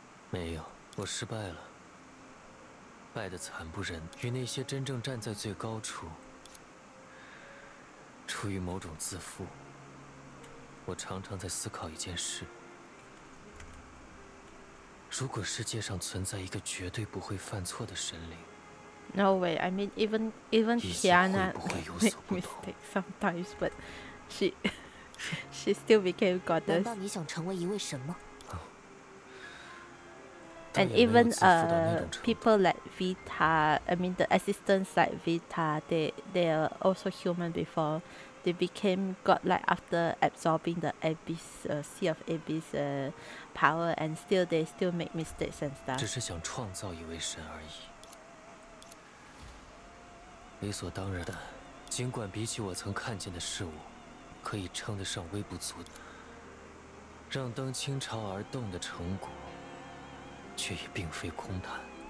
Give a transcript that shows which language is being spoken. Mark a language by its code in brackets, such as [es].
[zh] 没有我失败了败得惨不忍与那些真正站在最高处出于某种自负我常常在思考一件事如果世界上存在一个绝对不会犯错的神灵 [en] No way, I mean even Tiana make mistakes sometimes but she still became goddess [zh] 难道你想成为一位神吗 [en] And even people like Vita I mean the assistants like Vita they are also human beforeThey became godlike after absorbing the abyss, sea of abyss, power, and still they still make mistakes and stuff. [zh] 只是想创造一位神而已，理所当然的。尽管比起我曾看见的事物，可以称得上微不足道，让灯倾巢而动的成果，却也并非空谈。